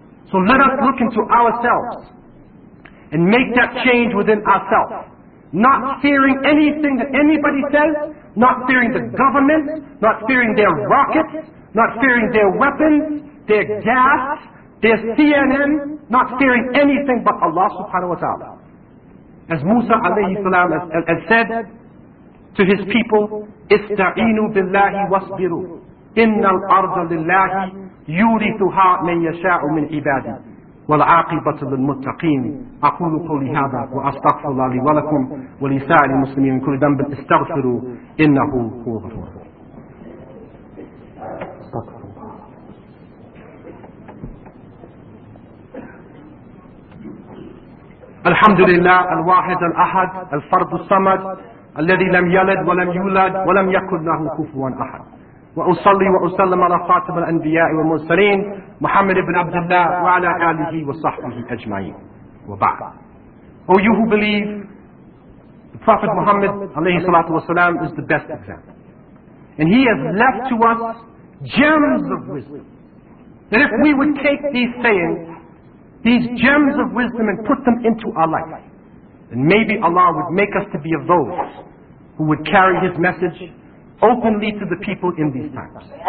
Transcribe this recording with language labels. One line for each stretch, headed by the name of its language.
English: So let us look into ourselves and make that change within ourselves. Not fearing anything that anybody says, not fearing the government, not fearing their rockets, not fearing their weapons, their gas, their CNN, not fearing anything but Allah subhanahu wa ta'ala. As Musa alayhi salam has said to his people,
Arabic: Ista'inu billahi wasbiru, inna al-arda lillahi, يُورِثُهَا مَنْ يَشَاءُ مِنْ عِبَادِي وَالْعَاقِبَةُ لِلْمُتَّقِينَ أَقُولُ قَوْلِي هَذَا وَأَسْتَغْفِرُ اللَّهَ لِي وَلَكُمْ وَلِسَائِرِ الْمُسْلِمِينَ مِنْ كُلِّ ذَنْبٍ اسْتَغْفِرُوا إِنَّهُ هُوَ الْغَفُورُ الرَّحِيمُ. الحمد لله الواحد الأحد الفرد الصمد الذي لم يلد ولم يولد ولم يكن له كفوا أحد. وأصلي وأسلم على خاتم الأنبياء والمرسلين محمد بن عبد الله وعلى آله وصحبه أجمعين وبعد.
English: O you who believe, the Prophet Muhammad عليه الصلاة والسلام is the best example. And he has left to us gems of wisdom. That if we would take these sayings, these gems of wisdom, and put them into our life, then maybe Allah would make us to be of those who would carry his message openly to the people in these times.